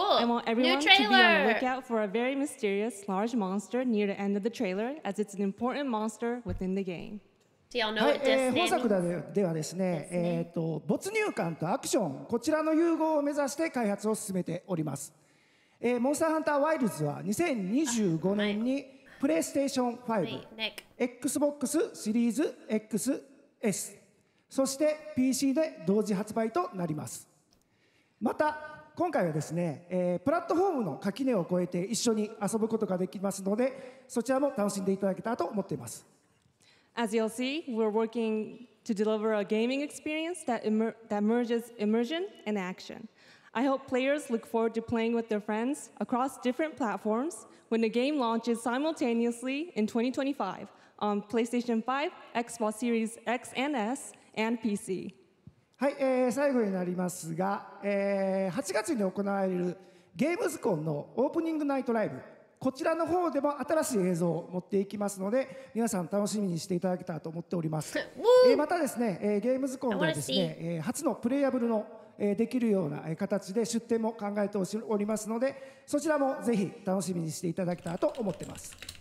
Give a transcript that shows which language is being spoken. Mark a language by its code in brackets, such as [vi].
[en] I want everyone to be on the lookout for a very mysterious large monster near the end of the trailer, as it's an important monster within the game. Do y'all know what Destiny? [ja] 本作ではですね、没入感とアクション、こちらの融合を目指して開発を進めております。モンスターハンターワイルズは2025年にプレイステーション5、Xbox シリーズ XS、そして PC で同時発売となります。また、今回はですね、プラットフォームの垣根を越えて一緒に遊ぶことができますので、そちらも楽しんでいただけたらと思っています。 [en] As you'll see, we're working to deliver a gaming experience that merges immersion and action. I hope players look forward to playing with their friends across different platforms when the game launches simultaneously in 2025 on PlayStation 5, Xbox Series X and S, and PC. [ja] はい、最後になりますが、8月に行われるゲームズコンのオープニングナイトライブ、こちらの方でも新しい映像を持っていきますので、皆さん楽しみにしていただけたらと思っております。またですね、ゲームズコンではですね、初のプレイアブルの、できるような形で出展も考えておりますので、そちらもぜひ楽しみにしていただけたらと思っています。